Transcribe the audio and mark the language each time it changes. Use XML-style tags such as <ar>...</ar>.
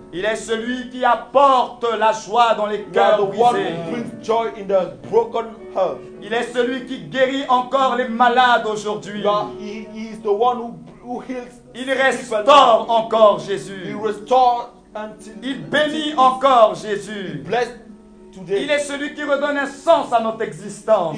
<fr>Il est celui qui apporte la joie dans les cœurs brisés.</fr> <en>The one who brings joy in the broken heart.</en> <fr>Il est celui qui guérit encore les malades aujourd'hui.</fr> <en>He is the one who heals.</en> <fr>Il restaure encore Jésus.</fr> <en>He restores until.</en> <fr>Il bénit encore Jésus.</fr> <en>He bless today.</en> <fr>Il est celui qui redonne un sens à notre existence.</fr>